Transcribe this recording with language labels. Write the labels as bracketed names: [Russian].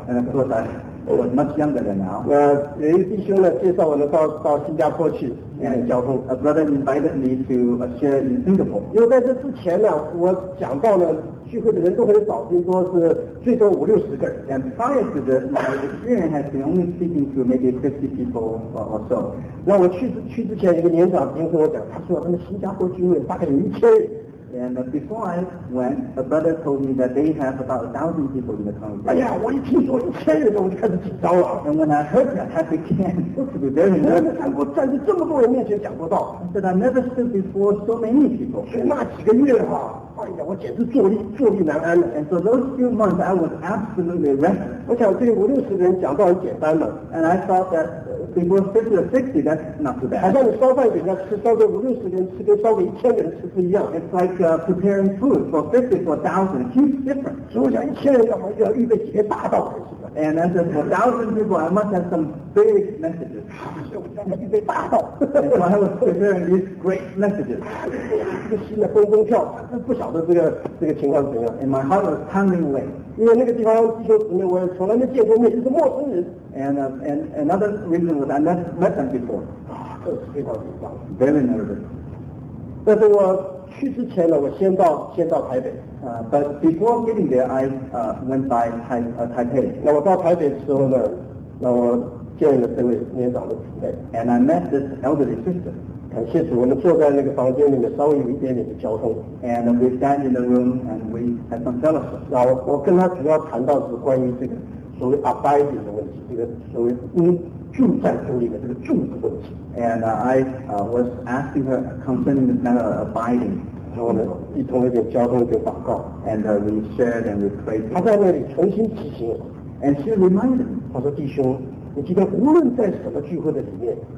[English] And of course, I was much younger than now. [Chinese] 有一弟兄呢介绍我呢到新加坡去，交通。 [English] A brother invited me to share in Singapore. [Chinese] 因为在这之前呢，我讲到呢聚会的人都很少，听说是最多五六十个人。 [English] And prior to this, my experience has been only speaking to maybe 50 people or so. [Chinese] 那我去之前，一个年长兵跟我讲，他说他们新加坡聚会大概有1000人。 [English] And before I went, a brother told me that they have about 1,000 people in the congregation. [Chinese] 哎呀，我一听说1000人，我就开始紧张了。 [English] And when I heard that, I began to be very nervous. [Chinese] 我站在这么多人面前讲过道 [English] ，that I never stood before so many people. [Chinese] 就那几个月哈。哎呀，我简直坐立难安了。 [English] And so those few months, I was absolutely restless. [Chinese] 我想对五六十人讲道很简单了。 [English] And I thought that before 50 or 60, that's not too bad. [Chinese] 好像你烧饭饼要吃，烧给五六十人吃，跟烧给1000人吃是一样。 [English] It's like preparing food for 50, for 1,000, huge difference. [Chinese] 所以我想1000人要预备几个大道才行。 [English] And as for 1,000 people, I must have some big messages. So I was preparing these great messages. [Chinese] 这个心里蹦蹦跳，不晓得这个情况怎样。 [English] And my heart was pounding away. [Chinese] 因为那个地方弟兄姊妹，我从来没见过面，是陌生人。 [English] And another reason was I never met them before. [Chinese] 这是非常紧张。 [English] Very nervous. [Chinese] 但是我去之前呢，我先到台北。 [English] But before getting there, I went by Taipei. [Chinese] 那我到台北的时候呢，那我见了这位年长的姊妹。 [English] And I met this elderly sister. [Chinese] 感谢主，我们坐在那个房间里面，稍微有一点点的交通。 [English] And we stand in the room and we had some fellowship. [Chinese] 那我跟他主要谈到是关于这个所谓 abiding 的问题，这个所谓住在主里面这个住的问题。 [English] And was asking her concerning the matter of abiding. [Chinese] 然后呢，一同一点交通一点祷告 [English] ，and we shared and we prayed. [Chinese] 他在那里重新提醒我 [English] ，and she reminded me. [Chinese] 他说：“弟兄，你今天无论在什么聚会的里面